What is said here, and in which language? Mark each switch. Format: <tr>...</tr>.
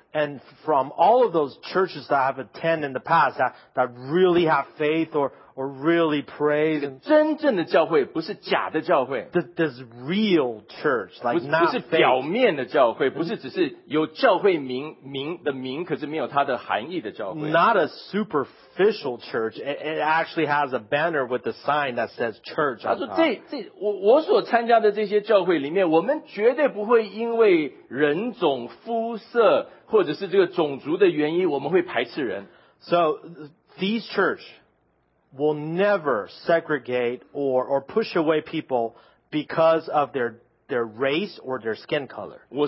<en>And from all of those churches that I have attended in the past that really have faith or really praise.</en> <zh>真正的教会不是假的教会。</zh> <en>This real church, like</en> <zh>不是,</zh> <en>not</en> <zh>不是表面的教会, 不是只是有教会名的名,可是没有它的含义的教会。</zh> <en>Not a superficial church. It actually has a banner with a sign that says church on top.</en> <zh>他说这,我所参加的这些教会里面,我们绝对不会因为人种肤色, 或者是这个种族的原因,</zh> <en>so, these church will never segregate or push away people because of their race or their skin color.</en>